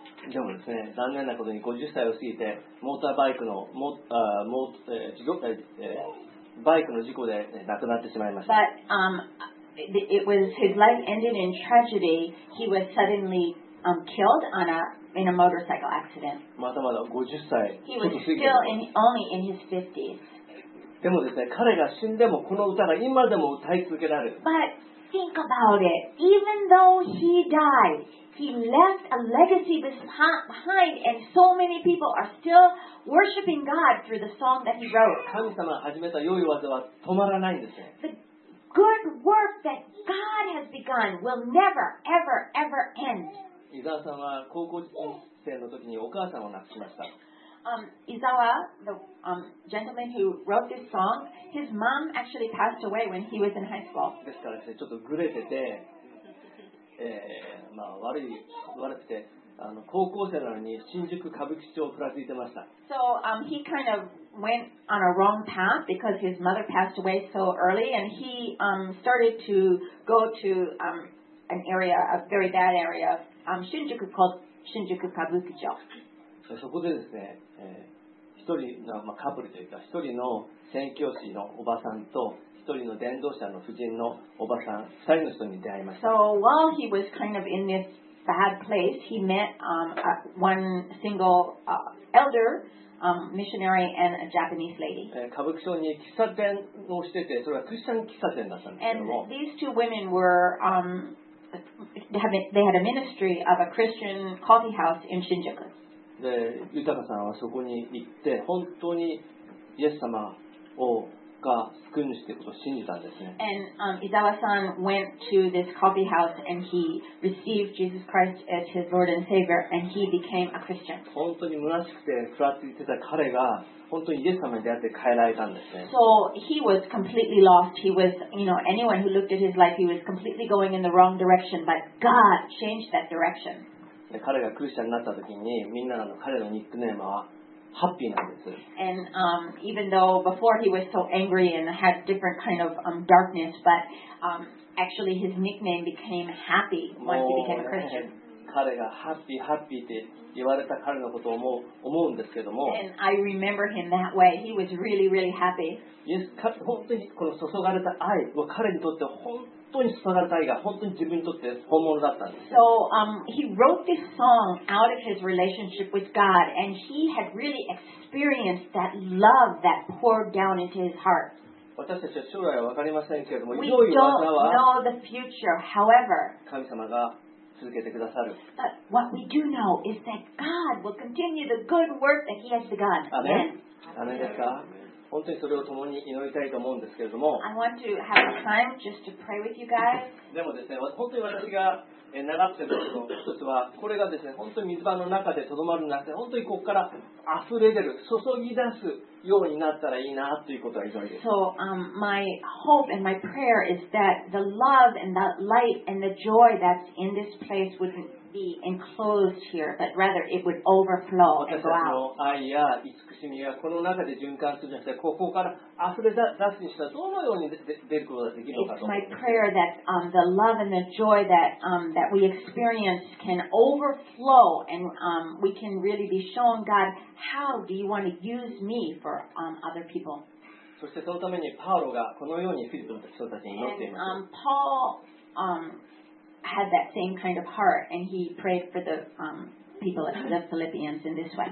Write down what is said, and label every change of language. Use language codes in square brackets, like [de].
[ja] でもですね、残念なことに50歳を過ぎてモーターバイクのバイクの事故で亡くなってしまいました。 [en] But it was his life ended in tragedy. He was suddenly killed in a motorcycle accident. [ja] まだまだ50歳。 [en] He was still only in his 50s. [ja] でもですね、彼が死んでもこの歌が今でも歌い続けられる。 [en] But think about it. Even though he died, he left a legacy behind, and so many people are still worshiping God through the song that he wrote. [ja] 神様が始めた良い技は止まらないんですね。 [en] The good work that God has begun will never, ever, ever end. [ja] 伊沢さんは高校生の時にお母さんを亡くしました。 [en] Izawa, the gentleman who wrote this song, his mom actually passed away when he was in high school. [ja] ですからですね、ちょっとグレてて、まあ悪くて、高校生なのに新宿歌舞伎町をふらついてました。 [en] So, he kind of went on a wrong path because his mother passed away so early, and he started to go to an area, a very bad area of Shinjuku called Shinjuku Kabukicho. [ja] そこでですね、一人の、まあ、カップルというか一人の宣教師のおばさんと一人の伝道者の夫人のおばさん二人の人に出会いました。 [en] So while he was kind of in this bad place, he met one single elder missionary and a Japanese lady. [ja] 歌舞伎町に喫茶店をしてて、それはクリスチャン喫茶店だったんですけども。 [en] And these two women were they had a ministry of a Christian coffee house in Shinjuku. [ja] で、豊さんはそこに行って本当にイエス様をが救い主ということを信じたんですね。 [en] And Izawa-san went to this coffee house and he received Jesus Christ as his Lord and Savior and he became a Christian. [ja] 本当に虚しくてふらついてた彼が本当にイエス様に出会って変えられたんですね。 [en] So he was completely lost. He was, you know, anyone who looked at his life, he was completely going in the wrong direction. But God changed that direction. [ja] 彼がクリスチャンになった時にみんなの彼のニックネームはハッピーなんです。 [en] And even though before he was so angry and had different kind of darkness, but actually his nickname became Happy once he became a Christian. [ja] 彼がハッピーハッピーって言われた彼のことを思うんですけども。 [en] And I remember him that way. He was really, really happy. [ja] イエス、本当にこの注がれた愛は彼にとって [en] So, he wrote this song out of his relationship with God, and he had really experienced that love that poured down into his heart. We don't know the future, however, but what we do know is that God will continue the good work that he has begun. Amen. Amen. [ja] 本当にそれを共に祈りたいと思うんですけれども、 [en] I want to have time just to pray with you guys. [ja] でもですね、本当に私が習っていることの一つは、これがですね、本当に水場の中でとどまるんじゃなくて、本当にここから溢れ出る、注ぎ出すようになったらいいなということが非常にです [en] 。 So, my hope and my prayer is that the love and the light and the joy that's in this place wouldn't be enclosed here, but rather it would overflow and go out. [ja] 私たちの愛や慈しみがこの中で循環するんじゃなくて、ここから溢れ出すにしたらどのように出ることができるのかと。 [en] It's my prayer that the love and the joy that, that we experience can overflow and we can really be shown, God, how do you want to use me for other people? [ja] そしてそのためにパウロがこのようにフィリピンの人たちに祈っています。 [en] And, Paul, had that same kind of heart, and he prayed for the people of the Philippians in this way.